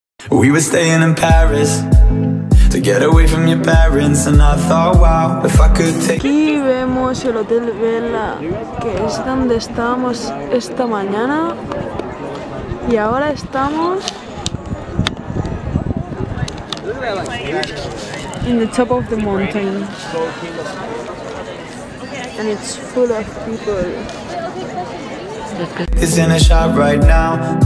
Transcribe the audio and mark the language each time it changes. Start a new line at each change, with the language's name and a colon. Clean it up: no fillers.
English: We were staying in Paris to get away from your parents, and I thought, wow, if I could take.
Spanish: Aquí vemos el Hotel Vela, que es donde estábamos esta mañana. Y ahora estamos
English: in the top of the mountain, and it's full of people. It's in a shop right now.